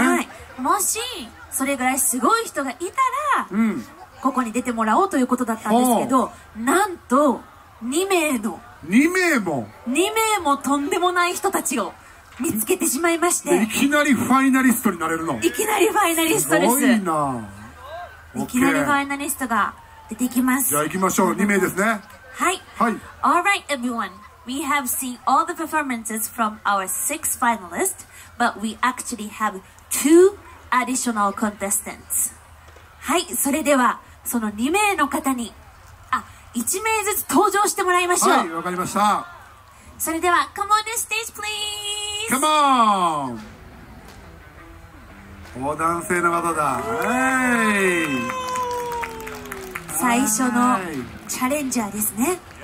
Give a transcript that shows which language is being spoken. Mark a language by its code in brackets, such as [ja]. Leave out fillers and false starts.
[ja] はい、もしそれぐらいすごい人がいたら、うん、ここに出てもらおうということだったんですけど、なんと2名もとんでもない人たちを見つけてしまいまして、いきなりファイナリストになれるの。いきなりファイナリストです。すごいな。いきなりファイナリストが出てきます。じゃあ行きましょう。2名ですね。はい。はい。 [en] All right, everyone. We have seen all the performances from our 6 finalists, but we actually have 2 additional contestants. [ja] はい。それではその2名の方に、1名ずつ登場してもらいましょう。はい、わかりました。それでは、 [en] come on the stage, please. Come on! [ja] お男性の方だ。最初のチャレンジャーですね。